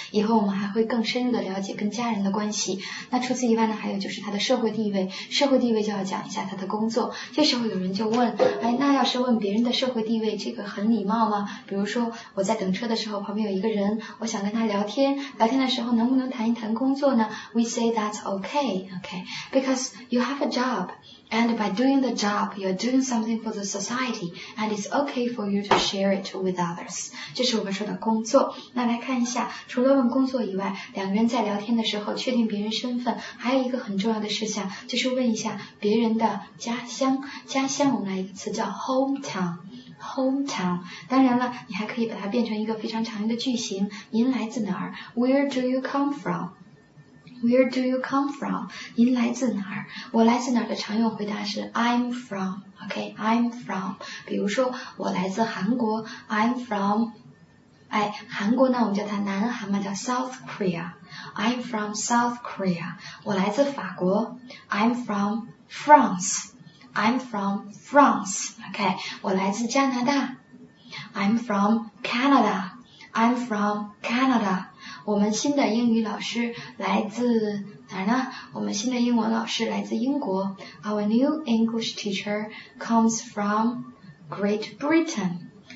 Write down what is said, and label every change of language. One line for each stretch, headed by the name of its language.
Chinese: 以后我们还会更深入的了解跟家人的关系。那除此以外呢，还有就是他的社会地位。社会地位就要讲一下他的工作。这时候有人就问，哎，那要是问别人的社会地位，这个很礼貌吗？比如说我在等车的时候，旁边有一个人，我想跟他聊天，聊天的时候能不能谈一谈工作呢？
English: We say that's okay, okay, because you have a job. And by doing the job, you're doing something for the society, and it's okay for you to share it with others.
Chinese: 这是我们说的工作。那来看一下，除了问工作以外，两个人在聊天的时候确定别人身份，还有一个很重要的事项，就是问一下别人的家乡。家乡我们来一个词叫 hometown。Hometown, 当然了，你还可以把它变成一个非常常用的句型，您来自哪儿？
English: Where do you come from? Where do you come from?
Chinese: 您来自哪儿？我来自哪儿的常用回答是
English: I'm from, OK, I'm from.
Chinese: 比如说我来自韩国
English: I'm from,
Chinese: 哎，韩国呢我们叫它南韩嘛，叫 South Korea.
English: I'm from South Korea.
Chinese: 我来自法国
English: I'm from France. I'm from France, OK.
Chinese: 我来自加拿大
English: I'm from Canada. I'm from Canada.
Chinese: 我们新的英语老师来自哪儿呢？我们新的英文老师来自英国。
English: Our new English teacher comes from Great Britain.